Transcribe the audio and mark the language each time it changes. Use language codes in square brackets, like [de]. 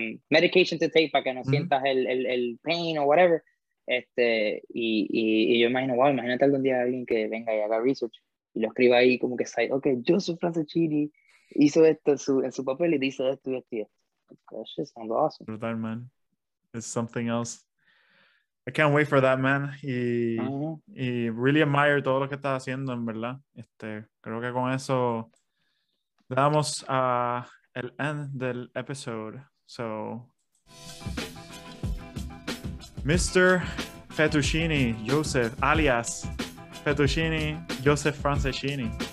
[en] Medication to take [es] para que no sientas el [en] pain [es] o [en] whatever. [es] Y yo imagino, wow, imagínate algún día alguien que venga y haga [en] research. [es] Y lo escriba ahí como que está, ok, yo soy Franceschini, hizo esto en su papel y dice esto y esto. [en] That's just awesome. Brutal, man. It's something else. I can't wait for that, man. [es] Y [en] really admire [es] todo lo que estás haciendo, en verdad. Creo que con eso damos el [en] end [es] del [en] episode. So, Mr. Fettuccini, Joseph, alias Fettuccini, Joseph Franceschini.